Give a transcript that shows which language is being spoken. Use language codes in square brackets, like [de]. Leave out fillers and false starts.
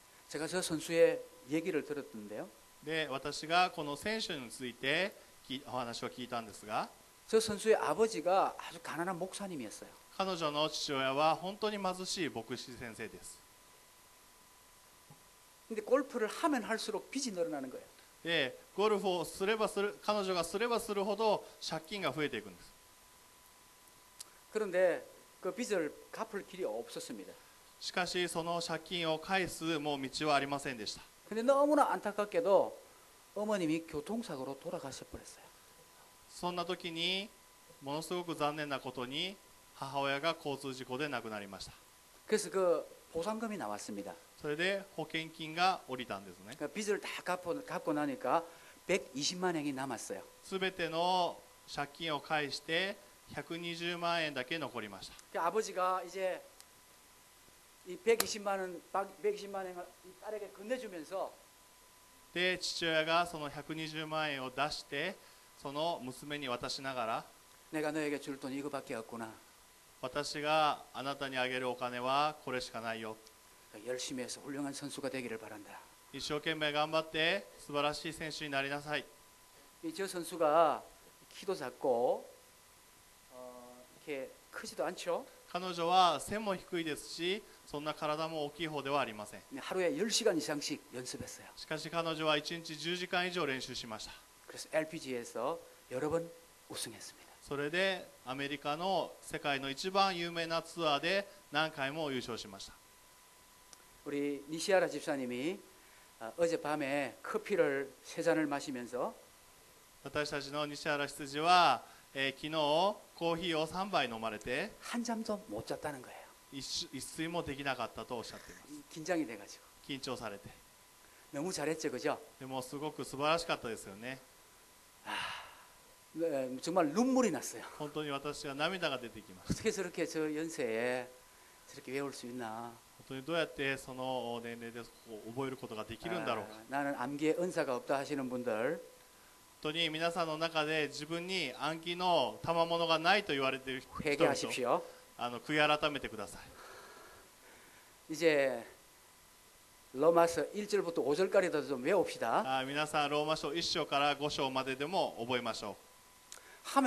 [ko] 제가저선수의얘기를들었는데요。 [ja] で、私がこの選手についてお話を聞いたんですが、 [ko] 저선수의아버지가아주가난한목사님이었어요。 [ja] 彼女の父親は本当に貧しい牧師先生です。で、ゴルフを [ko] 하면 할수록 빚이 늘어나는 거예요。 [ja] で、ゴルフをすればする、彼女がすればするほど借金が増えていくんです。 [ko] 그런데 그 빚을 갚을 길이 없었습니다。 [ja] しかし、その借金を返すもう道はありませんでした。 [ko] 근데 너무나 안타깝게도 어머님이 교통사고로 돌아가셔버렸어요。 [ja] そんな時に、ものすごく残念なことに、母親が交通事故で亡くなりました。 [ko] 그래서그보상금이나왔습니다。 [ja] それで保険金が降りたんですね。 [ko] 빚을다갚고나니까120만원이남았어요。 [ja] すべての借金を返して120万円だけ残りました。 [ko] 아버지가이제이120만원120만원을딸에게건네주면서 [ja] で父親がその120万円を出してその娘に渡しながら [ko] 내가너에게줄돈이거밖에없구나。 [ja] 私があなたにあげるお金はこれしかないよ。 [ko] 열심히해서훌륭한선수가되기를바란다。 [ja] 一生懸命頑張って素晴らしい選手になりなさい。 [ko] 저선수가키도작고이렇게크지도않죠。 [ja] 彼女は背も低いですし、そんな体も大きい方ではありません。 [ko] 하루에10시간이상씩연습했어요。 [ja] しかし彼女は1日10時間以上練習しました。 [ko] 그래서 LPGA 에서여러번우승했습니다。 [ja] それでアメリカの世界の一番有名なツアーで何回も優勝しました。 [ko] 우리니시아라집사님이어젯밤에커피를세잔을마시면서 [ja] 私たちの西原執事は昨日コーヒーを3杯飲まれて [ko] 한잠도못잤다는거예요。 [ja] 一睡もできなかったとおっしゃっています。 [ko] 긴장이돼가지고 [ja] 緊張されて [ko] 너무잘했죠그죠。 [ja] でもすごく素晴らしかったですよね。 [ko] 네정말눈물이났어요。 [ja] 本当に私は涙が出てきました。 [ko] 어떻게저렇게저연세에저렇게외울수있나。 [ja] 本当にどうやってその年齢で覚えることができるんだろうか。 [ko] 나는암기의은사가없다하시는분들。 [ja] 本当に皆さんの中で自分に暗記の賜物がないと言われている人々。 [ko] 회개하십시오。 [ja] 悔い改めてください。 [ko] 이제로마서1절부터5절까지도좀외웁시다。 [ja] 皆さんローマ書1章から5章まででも覚えましょう。